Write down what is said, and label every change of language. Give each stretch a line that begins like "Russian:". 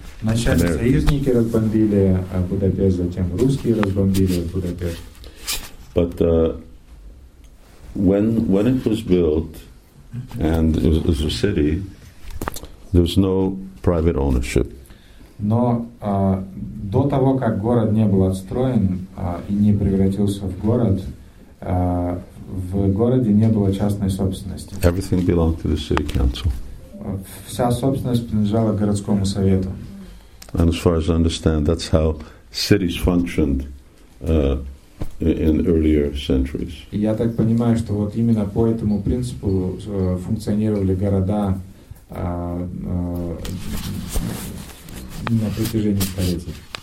Russian: Вначале союзники разбомбили Будапешт, затем русские разбомбили Будапешт.
English: But when it was built and it was a city, there was no private ownership.
Russian: Но до того, как город не был отстроен и не превратился в город, в городе не было частной собственности.
English: Everything belonged to the city council.
Russian: Вся собственность принадлежала городскому совету.
English: And as far as I understand, that's how cities functioned in earlier centuries.
Russian: Я так понимаю, что вот именно по этому принципу функционировали города на протяжении столетий.